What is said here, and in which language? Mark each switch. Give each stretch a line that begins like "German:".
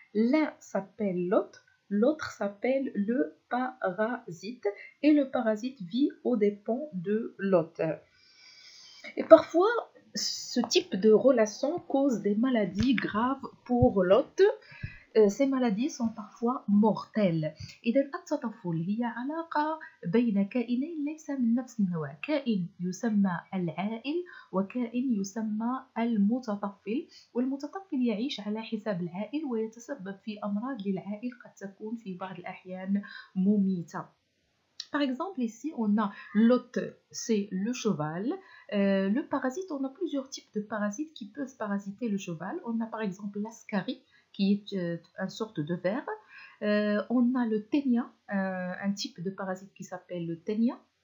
French: L'un s'appelle l'autre, l'autre s'appelle le parasite, et le parasite vit aux dépens de l'autre. Et parfois ce type de relation cause des maladies graves pour l'autre. Ces maladies sont parfois mortelles.
Arabic: إذا التطفل هي علاقة بين كائنين ليس من نفس النوع, كائن يسمى العائل وكائن يسمى المتطفل, والمتطفل يعيش على حساب العائل ويتسبب في أمراض للعائل قد تكون في بعض الأحيان مميتة.
French: Par exemple, ici, on a l'hôte, c'est le cheval. Le parasite, on a plusieurs types de parasites qui peuvent parasiter le cheval. On a par exemple l'ascarie, qui est une sorte de ver. On a le ténia, un type de parasite qui s'appelle le ténia.